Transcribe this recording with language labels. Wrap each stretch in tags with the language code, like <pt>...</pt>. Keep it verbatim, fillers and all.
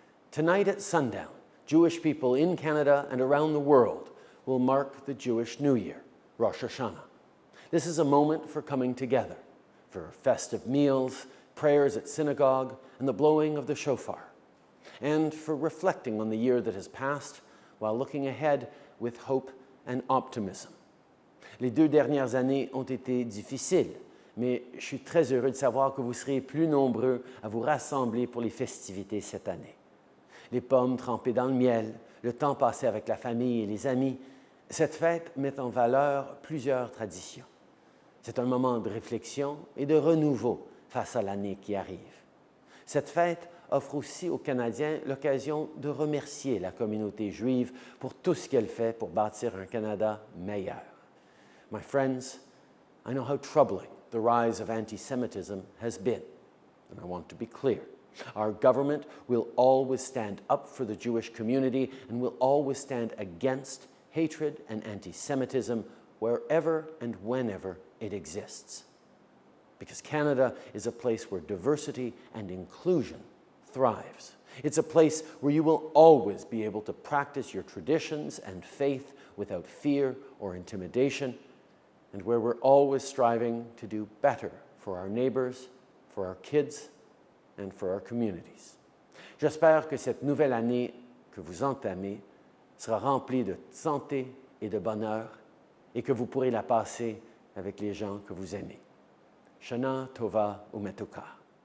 <en>Tonight at sundown, Jewish people in Canada and around the world will mark the Jewish New Year, Rosh Hashanah. This is a moment for coming together, for festive meals, prayers at synagogue, and the blowing of the shofar, and for reflecting on the year that has passed while looking ahead with hope and optimism.</en> <fr>Les deux dernières années ont été difficiles, mais je suis très heureux de savoir que vous serez plus nombreux à vous rassembler pour les festivités cette année. Les pommes trempées dans le miel, le temps passé avec la famille et les amis, cette fête met en valeur plusieurs traditions. C'est un moment de réflexion et de renouveau face à l'année qui arrive. Cette fête offre aussi aux Canadiens l'occasion de remercier la communauté juive pour tout ce qu'elle fait pour bâtir un Canada meilleur.</fr> <en>My friends, I know how troubling the rise of anti-Semitism has been, and I want to be clear. Our government will always stand up for the Jewish community and will always stand against hatred and anti-Semitism wherever and whenever it exists. Because Canada is a place where diversity and inclusion thrives. It's a place where you will always be able to practice your traditions and faith without fear or intimidation, and where we're always striving to do better for our neighbors, for our kids, and for our communities.</en> <fr>J'espère que cette nouvelle année que vous entamez sera remplie de santé et de bonheur et que vous pourrez la passer avec les gens que vous aimez.</fr> <he>Shana Tova Umetuka.</he>